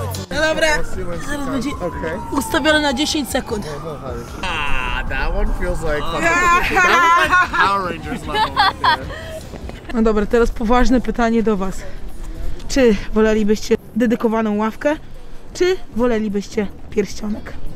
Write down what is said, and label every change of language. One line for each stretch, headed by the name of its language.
Polish: Dobra, zaraz będzie ustawione na 10 sekund.
English: That one feels like Power Rangers level.
Polish: No dobra, teraz poważne pytanie do was. Czy wolelibyście dedykowaną ławkę, czy wolelibyście pierścionek?